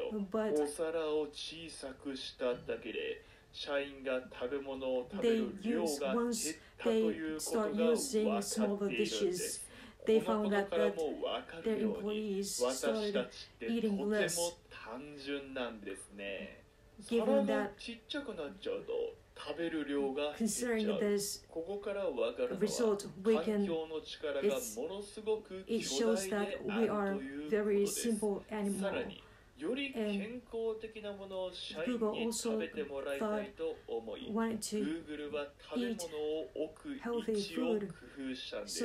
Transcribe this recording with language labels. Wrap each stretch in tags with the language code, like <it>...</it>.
<en>But</en> <ja>お皿を小さくしただけで社員が食べ物を食べる量が減ったということが分かっているんです。</ja> <en>They found that their employees started eating less.</en> <ja>私たちってとても単純なんですね。皿が小さくなっちゃうと食べる量が減っちゃう。</ja> <en>This,</en> <ja>ここから分かるのは</ja> <en>result, can,</en> <ja>環境の力がものすごく巨大であるということです。さらに、より健康的なものを社員に食べてもらいたいと思い、Google は食べ物を置く位置を工夫したんです。</ja>